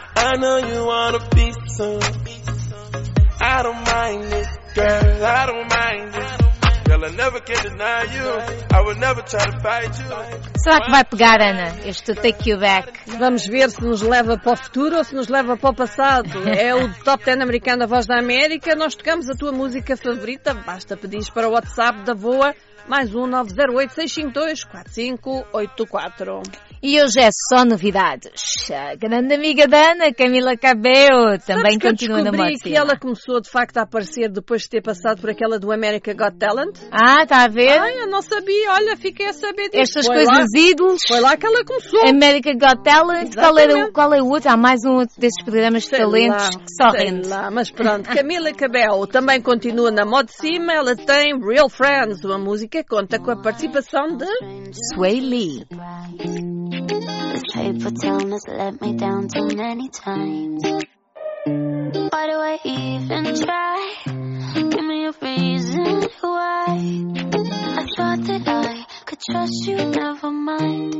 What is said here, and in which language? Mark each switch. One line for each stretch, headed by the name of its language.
English: I know you wanna be some. I don't mind it, girl. I don't mind it. Girl, I never can deny you. I will never try to fight you.
Portuguese: Será que vai pegar, Ana, este Take You Back? Vamos ver se nos leva para o futuro ou se nos leva para o passado. É o Top 10 americano da Voz da América. Nós tocamos a tua música favorita. Basta pedires para o WhatsApp da Voa. Mais um 908-652-4584. E hoje é só novidades. A grande amiga da Ana, Camila Cabello, também continua na música. Sabes que ela começou, de facto, a aparecer depois de ter passado por aquela do America Got Talent? Ah, está a ver? Ai, eu não sabia. Olha, fiquei a saber disso. Estas foi coisas lá, ídolos. Foi lá que ela começou. America Got Talent. Qual é o outro? Há mais um outro desses programas de talentos que só rende. Mas pronto, Camila Cabello também continua na moda cima. Ela tem Real Friends, uma música que conta com a participação de... Swae Lee.
English: This paper town has let me down too many times. Why do I even try? Give me a reason why. I thought that I could trust you, never mind.